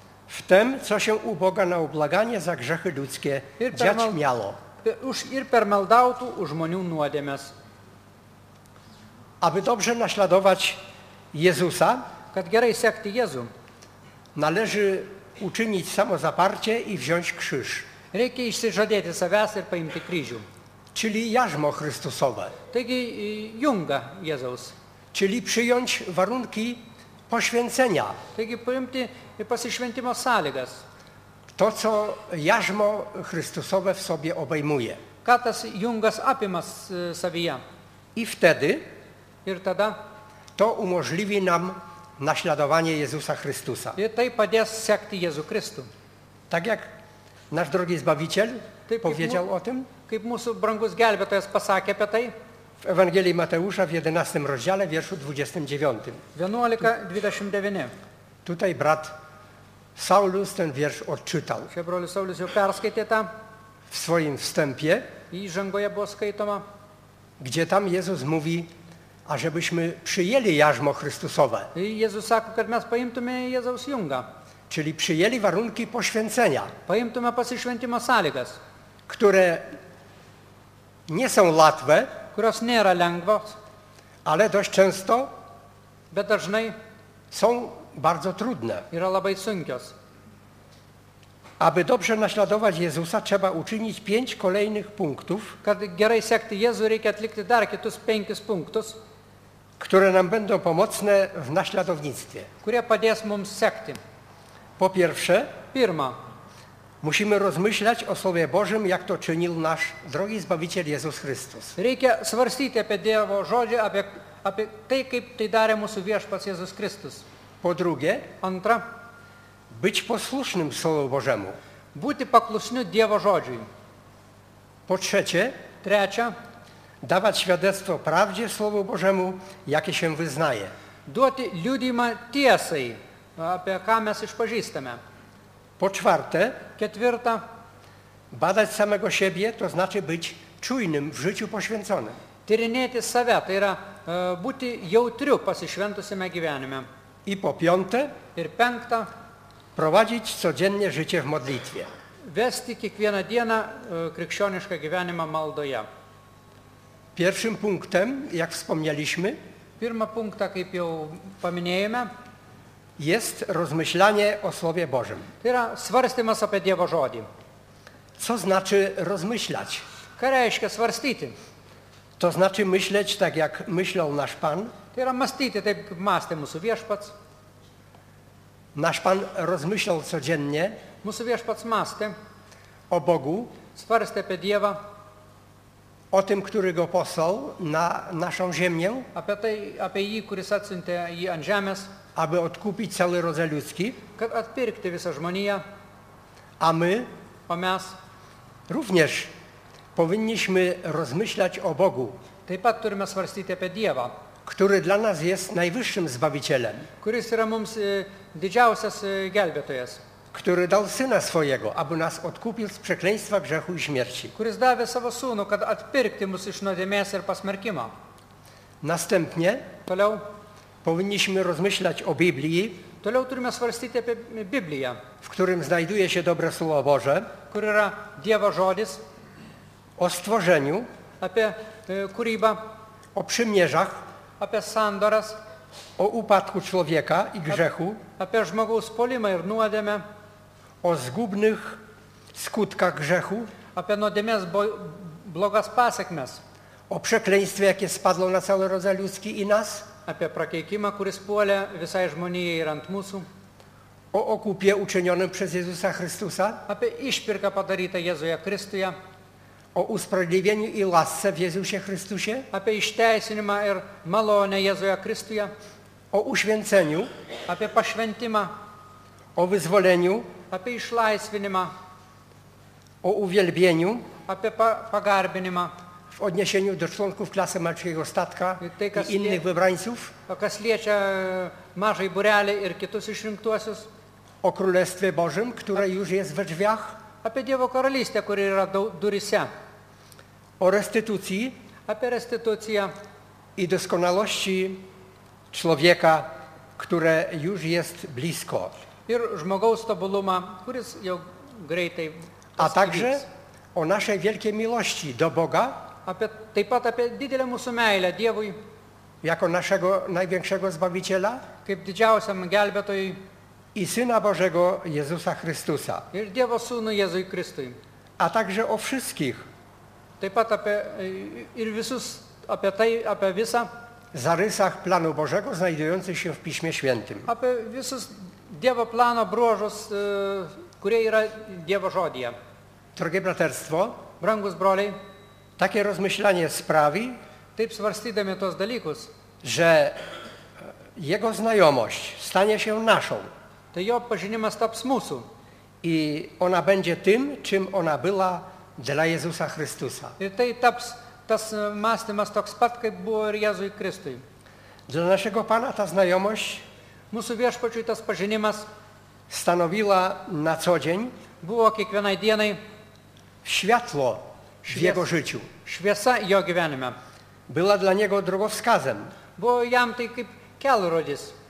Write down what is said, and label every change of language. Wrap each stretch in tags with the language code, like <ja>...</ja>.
<pl>W tym, co się u Boga na ublaganie za grzechy ludzkie dziać miało.</pl> <lt>Ir per maldautų u žmonių nuodėmes.</lt> <pl>Aby dobrze naśladować Jezusa,</pl> <lt>kad gerai sekti Jezu,</lt> <pl>należy uczynić samozaparcie i wziąć krzyż.</pl> <lt>Reikia išsižadėti savęs ir paimti kryžių.</lt> <pl>Czyli jarzmo Chrystusowe.</pl> <lt>Taigi junga Jezus.</lt> <pl>Czyli przyjąć warunki poświęcenia.</pl> <lt>Taigi paimti pasišventimo sąlygas.</lt> <pl>To, co jarzmo Chrystusowe w sobie obejmuje.</pl> <lt>Ką tas jungas apima savyje.</lt> <pl>I wtedy</pl> <lt>ir tada</lt> <pl>to umożliwi nam naśladowanie Jezusa Chrystusa.</pl> <lt>I tai padės sekti Jezu Chrystu.</lt> <pl>Tak jak nasz drogi Zbawiciel</pl> <lt>taip,</lt> <pl>powiedział o tym.</pl> <lt>Kaip mūsų brangus gelbėtojas pasakė apie tai.</lt> <pl>W Ewangelii Mateusza w 11 rozdziale, wierszu 29.</pl> <lt>11:29.</lt> <pl>Tutaj brat Saulus ten wiersz odczytał.</pl> <lt>Čia brolis Saulius jau perskaitė tą.</lt> <pl>W swoim wstępie.</pl> <lt>Įžangoje buvo skaitoma.</lt> <pl>Gdzie tam Jezus mówi, ażebyśmy przyjęli jarzmo Chrystusowe.</pl> <lt>I Jezus sako, kad mes paimtume Jezus jungą.</lt> <pl>Czyli przyjęli warunki poświęcenia.</pl> <lt>Paimtume pasišventimo sąlygas.</lt> <pl>Które nie są łatwe,</pl> <lt>kurios nėra lengvos,</lt> <pl>ale dość często</pl> <lt>bet dažnai</lt> <pl>są bardzo trudne.</pl> <lt>Yra labai sunkios.</lt> <pl>Aby dobrze naśladować Jezusa, trzeba uczynić 5 kolejnych punktów,</pl> <lt>kad gerai sekti Jezu, reikia atlikti dar kitus 5 punktus,</lt> <pl>które nam będą pomocne w naśladownictwie.</pl> <lt>Kurie padės mums sekti.</lt> <pl>Po pierwsze,</pl> <lt>pirma,</lt> <pl>musimy rozmyślać o Słowie Bożym, jak to czynił nasz drogi Zbawiciel Jezus Chrystus.</pl> <lt>Reikia svarstyti apie Dievo žodžią, apie tai, kaip tai darė mūsų Viešpats Jėzus Kristus.</lt> <pl>Po drugie,</pl> <lt>antra,</lt> <pl>być posłusznym Słowu Bożemu.</pl> <lt>Būti paklusniu Dievo žodžiui.</lt> <pl>Po trzecie,</pl> <lt>trečia,</lt> <pl>dawać świadectwo prawdzie Słowu Bożemu, jakie się wyznaje.</pl> <lt>Duoti liudijimą tiesai, apie ką mes išpažįstame.</lt> <pl>Po czwarte,</pl> <lt>ketvirta,</lt> <pl>badać samego siebie, to znaczy być czujnym w życiu poświęconym.</pl> <lt>Tyrinėti save, tai yra būti jautriu pasišventusime gyvenime.</lt> <pl>I po piąte,</pl> <lt>ir penkta,</lt> <pl>prowadzić codziennie życie w modlitwie.</pl> <lt>Vesti kiekvieną dieną krikščionišką gyvenimą maldoje.</lt> <pl>Pierwszym punktem, jak wspomnieliśmy,</pl> <lt>pirma punkta, kaip jau paminėjome,</lt> <pl>jest rozmyślanie o Słowie Bożym.</pl> <lt>Yra svarstymas apie Dievo žodį.</lt> <pl>Co znaczy rozmyślać?</pl> <lt>Ką reiškia svarstyti?</lt> <pl>To znaczy myśleć tak, jak myślał nasz Pan.</pl> <lt>Yra mąstyti taip, kaip mąstė mūsų Viešpats.</lt> <pl>Nasz Pan rozmyślał codziennie.</pl> <lt>Mūsų Viešpats mąstė.</lt> <pl>O Bogu.</pl> <lt>Svarstė apie Dievą.</lt> <pl>O tym, który Go posłał na naszą ziemię.</pl> <lt>Apie tai, apie jį, kuris atsiuntė jį ant žemės.</lt> <pl>Aby odkupić cały rodzaj ludzki,</pl> <lt>kad atpirkti visą žmoniją,</lt> <pl>a my,</pl> <lt>o mes,</lt> <pl>również powinniśmy rozmyślać o Bogu,</pl> <lt>taip pat turime svarstyti apie Dievą,</lt> <pl>który dla nas jest najwyższym Zbawicielem,</pl> <lt>kuris yra mums didžiausias gelbėtojas,</lt> <pl>który dał Syna swojego, aby nas odkupił z przekleństwa grzechu i śmierci,</pl> <lt>kuris davė savo Sūnų, kad atpirkti mus iš nuodėmės ir pasmerkimo.</lt> <pl>Następnie,</pl> <lt>toliau,</lt> <pl>powinniśmy rozmyślać o Biblii,</pl> <lt>toliau turime svarstyti apie Bibliją,</lt> <pl>w którym znajduje się dobre Słowo Boże,</pl> <lt>kur yra Dievo žodis,</lt> <pl>o stworzeniu,</pl> <lt>apie kūrybą,</lt> <pl>o przymierzach,</pl> <lt>apie sandoras,</lt> <pl>o upadku człowieka i grzechu,</pl> <lt>apie žmogaus puolimą ir nuodėmę,</lt> <pl>o zgubnych skutkach grzechu,</pl> <lt>apie nuodėmės blogas pasekmes,</lt> <pl>o przekleństwie, jakie spadło na cały rodzaj ludzki i nas,</pl> <lt>apie prakeikimą, kuris puolė visai žmonijai ir ant mūsų.</lt> <pl>O okupie učinionym przez Jezusa Chrystusa.</pl> <lt>Apie išpirką padarytą Jėzuje Kristuje.</lt> <pl>O usprawiedliwieniu i lasce w Jezusie Chrystusie.</pl> <lt>Apie išteisinimą ir malonę Jėzuje Kristuje.</lt> <pl>o uświęceniu,</pl> <lt>apie pašventimą,</lt> <pl>o wyzwoleniu,</pl> <lt>apie išlaisvinimą,</lt> <pl>o uwielbieniu,</pl> <lt>apie pagarbinimą,</lt> <pl>w odniesieniu do członków klasy malczyńskiego statka i innych wybrańców,</pl> <lt>o kas liečia mažąjį būrelį ir kitus išrinktuosius,</lt> <pl>o Królestwie Bożym, które już jest we drzwiach,</pl> <lt>apie Dievo karalystę, kuri yra durise,</lt> <pl>o restytucji,</pl> <lt>apie restytuciją</lt> <pl>i doskonalości człowieka, które już jest blisko.</pl> <lt>Ir žmogaus tobulumą, kuris jau greitai.</lt> <pl>A także o naszej wielkiej miłości do Boga,</pl> <lt>apie, taip pat apie didelę mūsų meilę Dievui,</lt> <pl>jako naszego największego Zbawiciela,</pl> <lt>kaip didžiausiam gelbėtojui,</lt> <pl>i Syna Bożego Jezusa Chrystusa,</pl> <lt>ir Dievo Sūnų Jėzui Kristui.</lt> <pl>A także o wszystkich,</pl> <lt>taip pat apie, ir visus, apie tai, apie visą,</lt> <pl>zarysach planu Bożego znajdujących się w Piśmie Świętym,</pl> <lt>apie visus Dievo plano bruožus, kurie yra Dievo žodija.</lt> <pl>Drogie braterstwo,</pl> <lt>brangus broliai,</lt> <pl>takie rozmyślanie sprawi,</pl> <lt>taip svarstydami tos dalykus,</lt> <pl>że jego znajomość stanie się naszą,</pl> <lt>tai jo pažinimas taps mūsų,</lt> <pl>i ona będzie tym, czym ona była dla Jezusa Chrystusa.</pl> <lt>I tai taps tas mąstymas toks pat, kaip buvo ir Jezui Kristui.</lt> <pl>Dla naszego Pana ta znajomość,</pl> <lt>mūsų viešpačiui tas pažinimas,</lt> <pl>stanowiła na co dzień,</pl> <lt>buvo kiekvienai dienai,</lt> <pl>światło w jego życiu,</pl> <lt>šviesa jo gyvenime,</lt> <pl>była dla niego drogowskazem,</pl> <lt>buvo jam tai kaip kelrodis,</lt>